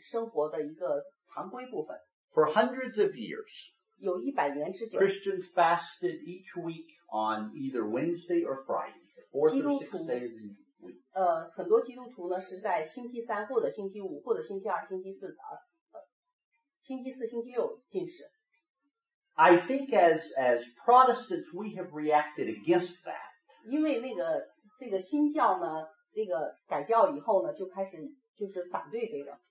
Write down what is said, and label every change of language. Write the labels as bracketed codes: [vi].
[zh] 然后逐渐的让禁食成为你生活的一个常规部分。 [en] For hundreds of years, [zh] 有100年之久, [en] Christians fasted each week on either Wednesday or Friday, the fourth or sixth day of the week. [zh] 很多基督徒呢是在星期三或者星期五或者星期二、星期四的，星期四、星期六进食。 [en] I think as Protestants we have reacted against that. [zh] 因为那个这个新教呢，这个改教以后呢，就开始就是反对这个。